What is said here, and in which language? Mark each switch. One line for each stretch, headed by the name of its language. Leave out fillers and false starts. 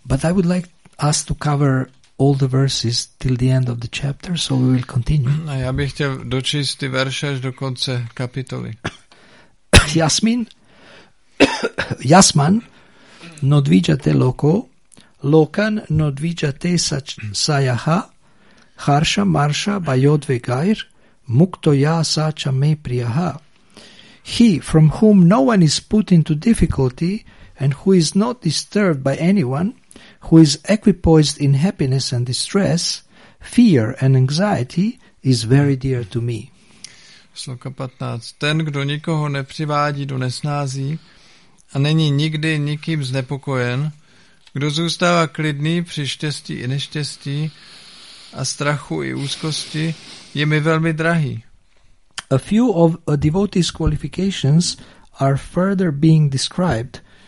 English: But I would like us to cover all the verses till the end of the chapter, so we will continue.
Czech: A já bych chtěl dočíst ty verše až do konce kapitoly.
Sanskrit: Jasmin, Jasman, no dvíjate loko, Lokan no dvijate sa sayaha harsha marsha bayodve gair mukto ya sa cha me priyaha.
English: He from whom no one is put into difficulty and who is not disturbed by anyone, who is equipoised in happiness and distress, fear and anxiety, is very dear to me.
Czech: Sloka 15. Ten, kdo nikoho nepřivádí do nesnází a není nikdy nikým znepokojen, kdo zůstává klidný při štěstí i neštěstí a strachu i úzkosti, je mi velmi drahý.
English: A few of a devotee's qualifications are further being described.